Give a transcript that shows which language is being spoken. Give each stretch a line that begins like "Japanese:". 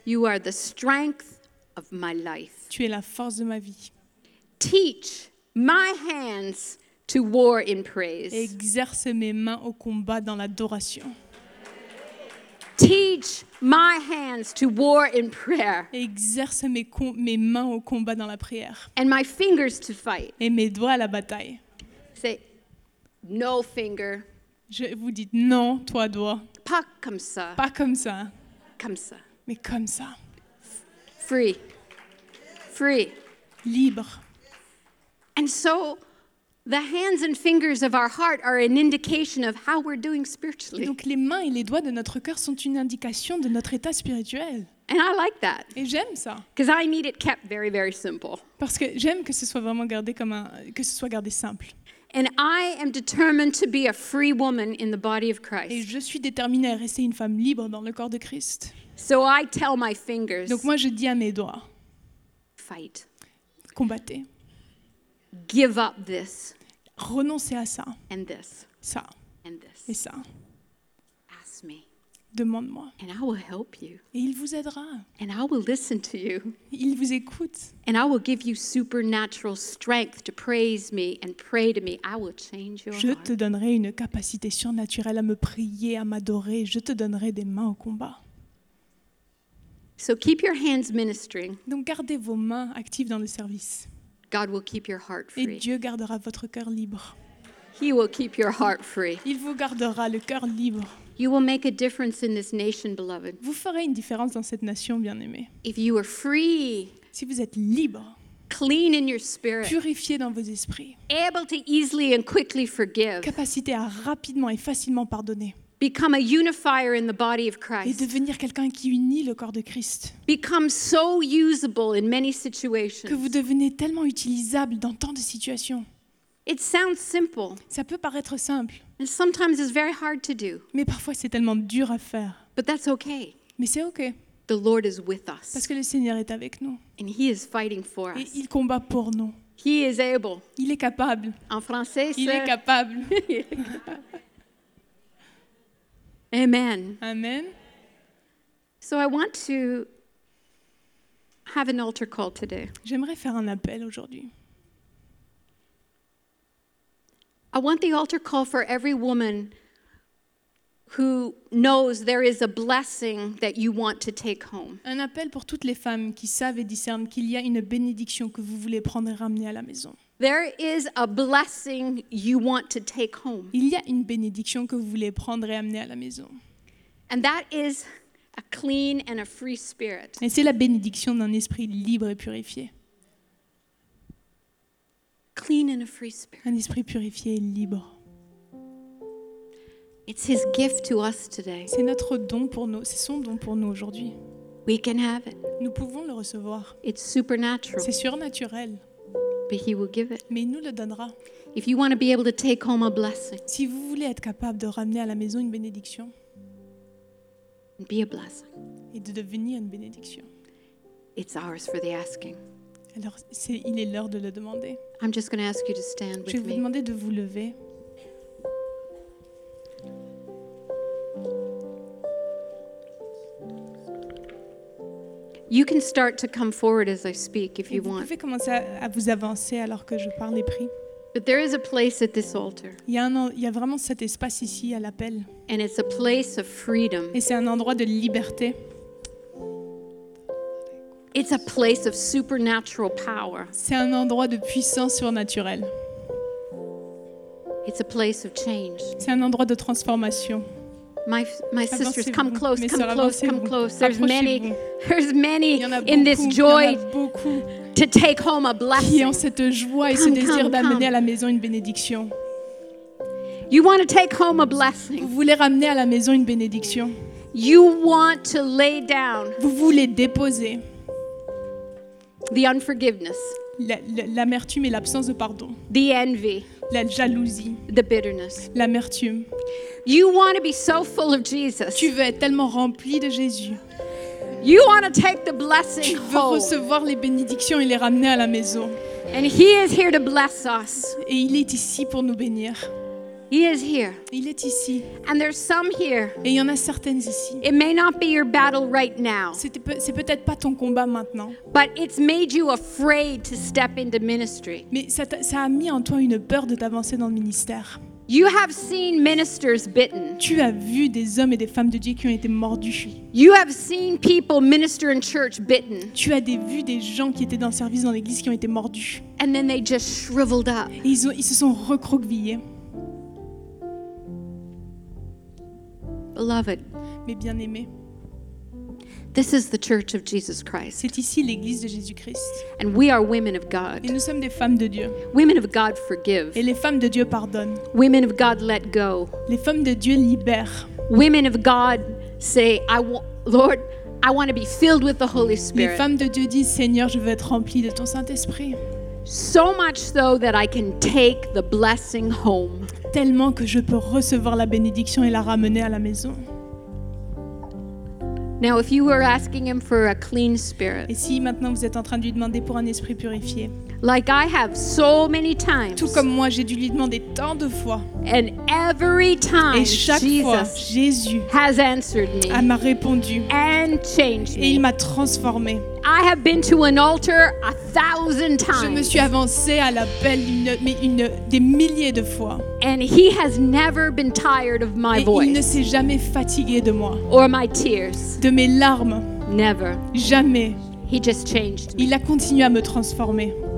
English: You are the strength of my life.
French: Tu es la force de ma vie.
English: Teach my hands to war in praise.
French: Exerce mes mains au combat dans l'adoration.
English: Teach my hands to war in prayer.
French: Exerce mes mains au combat dans la prière.
English: And my fingers to fight.
French: Et mes doigts à la bataille.
English: Say, no finger.
French: Je vous dis non, toi, doigt. Pas comme ça. Pas comme ça. Comme ça. Mais comme ça.
English: Free. Free.
French: Libre.
English: And so, the hands and fingers of our heart are an indication of how we're doing spiritually.
French: Et donc, les mains et les doigts de notre cœur sont une indication de notre état spirituel.
English: And I like that.
French: Et j'aime ça.
English: Because I need it kept very, very simple.
French: Parce que j'aime que ce soit vraiment gardé comme un, que ce soit gardé simple.
English: And I am determined to be a free woman in the body of Christ.
French: Et je suis déterminée à rester une femme libre dans le corps de Christ.
English: So I tell my fingers.
French: Donc moi je dis à mes doigts.
English: Fight.
French: Combattez.
English: Give up this.
French: Renoncez à ça.
English: And this.
French: Ça.
English: And this.
French: Et ça.
English: Ask me.
French: Demande-moi.
English: And I will help you.
French: Et il vous aidera.
English: And I will listen to you.
French: Il vous écoute.
English: And I will give you supernatural strength to praise me and pray to me. I will change your heart.
French: Je te donnerai une capacité surnaturelle à me prier, à m'adorer. Je te donnerai des mains au combat.
English: So keep your hands ministering.
French: Donc gardez vos mains actives dans le service.
English: God will keep your heart free.
French: Et Dieu gardera votre cœur libre.
English: He will keep your heart free.
French: Il vous gardera le cœur libre.
English: You will make a difference in this nation, beloved.
French: Vous ferez une différence dans cette nation bien-aimée.
English: If you are free,
French: si vous êtes libre,
English: clean in your spirit,
French: purifié dans vos esprits,
English: able to easily and quickly forgive,
French: capacité à rapidement et facilement pardonner,
English: become a unifier in the body of Christ,
French: et devenir quelqu'un qui unit le corps de Christ,
English: become so usable in many situations,
French: que vous devenez tellement utilisable dans tant de situations.
English: It sounds simple.
French: Ça peut paraître simple.
English: And sometimes it's very hard to do.
French: Mais parfois c'est tellement dur à faire.
English: But that's okay.
French: Mais c'est okay.
English: The Lord is with us.
French: Parce que le Seigneur est avec nous.
English: And he is fighting for us.
French: Et il combat pour nous.
English: He is able.
French: Il est capable. En français, c'est... Il est capable. Amen. Amen.
English: So I want to have an altar call today.
French: J'aimerais faire un appel aujourd'hui.
English: I want the altar call for every woman who knows there is a blessing that you want to take home.
French: Un appel pour toutes les femmes qui savent et discernent qu'il y a une bénédiction que vous voulez prendre et ramener à la maison.
English: There is a blessing you want to take home.
French: Il y a une bénédiction que vous voulez prendre et amener à la maison.
English: And that is a clean and a free spirit.
French: Et c'est la bénédiction d'un esprit libre et purifié.
English: clean and a free spirit.
French: Un esprit purifié et libre.
English: It's his gift to us today.
French: C'est notre don pour nous, c'est son don pour nous aujourd'hui.
English: We can have it.
French: Nous pouvons le recevoir.
English: It's supernatural.
French: C'est surnaturel.
English: But he will give it.
French: Mais il nous le donnera.
English: If you want to be able to take home a blessing.
French: Si vous voulez être capable de ramener à la maison une bénédiction.
English: Be a blessing.
French: Et de devenir une bénédiction.
English: It's ours for the asking.
French: Alors, c'est, il est l'heure de le demander.
English: I'm just going to ask you to stand with me.
French: Je vais vous demander de vous lever.
English: You can start to come forward as I speak if you want.
French: Vous pouvez commencer à vous avancer alors que je parle et prie.
English: But there is a place at this altar.
French: Il y a vraiment cet espace ici à l'appel.
English: And it's a place of freedom.
French: Et c'est un endroit de liberté.
English: It's a place of supernatural power.
French: C'est un endroit de puissance surnaturelle.
English: It's a place of change.
French: C'est un endroit de transformation.
English: My sisters, come close,
French: mes
English: come
French: sœurs,
English: close, come
French: vous.
English: Close. There's many in
French: beaucoup,
English: this joy to take home a blessing.
French: Qui ont cette joie et ce désir d'amener à la maison une bénédiction.
English: You want to take home a blessing.
French: Vous voulez ramener à la maison une bénédiction.
English: You want to lay down.
French: Vous voulez déposer.
English: The unforgiveness.
French: L'amertume et l'absence de pardon.
English: The envy.
French: La jalousie.
English: The bitterness.
French: L'amertume.
English: You want to be so full of Jesus.
French: Tu veux être tellement rempli de Jésus.
English: You want to take the blessing home.
French: Tu veux recevoir les bénédictions et les ramener à la maison.
English: And he is here to bless us.
French: Et il est ici pour nous bénir.
English: He is here.
French: Il est ici.
English: And there's some here.
French: Et il y en a certaines ici.
English: It may not be your battle right now.
French: C'est peut-être pas ton combat maintenant.
English: But it's made you afraid to step into ministry.
French: Mais ça a mis en toi une peur de t'avancer dans le ministère.
English: You have seen ministers bitten.
French: Tu as vu des hommes et des femmes de Dieu qui ont été mordus.
English: You have seen people minister in church bitten.
French: Tu as vu des gens qui étaient dans le service dans l'église qui ont été mordus.
English: And then they just shriveled up.
French: Et ils se sont recroquevillés.
English: Beloved,
French: mes bien-aimés,
English: this is the church of Jesus Christ.
French: C'est ici l'église de Jésus-Christ.
English: And we are women of God.
French: Et nous sommes des femmes de Dieu.
English: Women of God forgive.
French: Et les femmes de Dieu pardonnent.
English: Women of God let go.
French: Les femmes de Dieu libèrent.
English: Women of God say, Lord, I want to be filled with the Holy Spirit.
French: Les femmes de Dieu disent, Seigneur, je veux être remplie de ton Saint-Esprit.
English: So much so that I can take the blessing home.
French: Tellement que je peux recevoir la bénédiction et la ramener à la maison.
English: Now, if you were asking him for a clean spirit,
French: et si maintenant vous êtes en train de lui demander pour un esprit purifié,
English: like I have so many times,
French: tout comme moi j'ai dû lui demander tant de fois,
English: and every time,
French: et chaque
English: Jesus
French: fois Jésus
English: has answered me,
French: m'a répondu
English: and changed me.
French: Et il m'a transformé.
English: I have been to an altar 1,000 times.
French: Je me suis avancée à l'appel des milliers de fois.
English: And he has never been tired of my
French: et
English: voice.
French: Il ne s'est jamais fatigué de moi.
English: Or my tears.
French: De mes larmes.
English: Never.
French: Jamais.
English: He just changed me.
French: Il a continué à me transformer.